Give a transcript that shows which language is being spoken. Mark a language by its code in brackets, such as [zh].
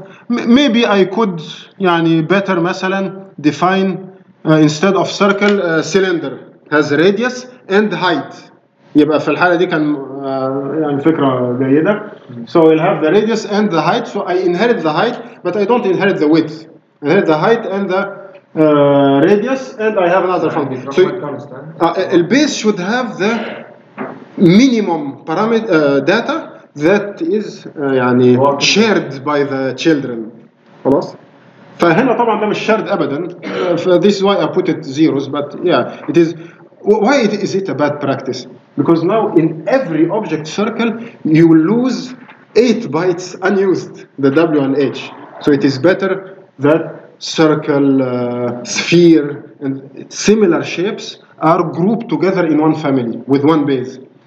[en] Maybe I could, يعني better مثلا define instead of circle cylinder has radius and height. [ar] يبقى في الحالة دي كان يعني فكرة جيدة. [en] So we'll have the radius and the height. So I inherit the height, but I don't inherit the width. I inherit the height and the radius, and I have another function. So the base should have the minimum parameter data that is يعني shared by the children. [ar] خلاص. فهنا طبعا ده مش shared ابدا. [en] This is why I put it zeros. But yeah, it is. Why is it a bad practice? Because now in every object circle you lose 8 bytes unused, the W and H. So it is better that circle, sphere, and similar shapes are grouped together in one family with one base.